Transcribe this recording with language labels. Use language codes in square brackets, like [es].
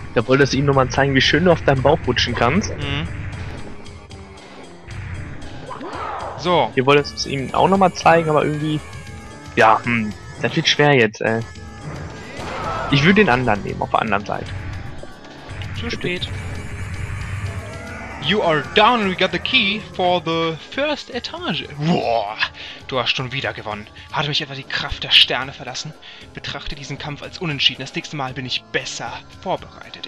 [de] Da wolltest du ihm nur mal zeigen, wie schön du auf deinem Bauch rutschen kannst. Mhm. So. Hier wolltest du es ihm auch noch mal zeigen, aber irgendwie... Ja, das wird schwer jetzt, ey. Ich würde den anderen nehmen, auf der anderen Seite. Zu bitte. Spät. [en] You are down and we got the key for the first etage. [de] Boah, du hast schon wieder gewonnen. Hat mich etwa die Kraft der Sterne verlassen? Betrachte diesen Kampf als unentschieden. Das nächste Mal bin ich besser vorbereitet.